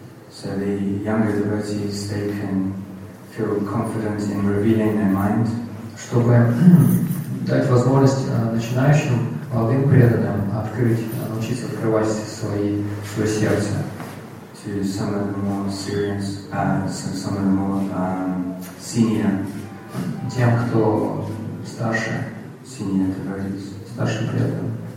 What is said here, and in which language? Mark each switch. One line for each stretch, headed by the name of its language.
English: So the younger devotees, they can feel confident in revealing their mind.
Russian: Чтобы дать возможность начинающим молодым преданным научиться открывать свое сердце.
English: To some of the more serious, some of the more senior.
Russian: Тем, кто старше.
English: Senior devotees.
Russian: Старше преданным.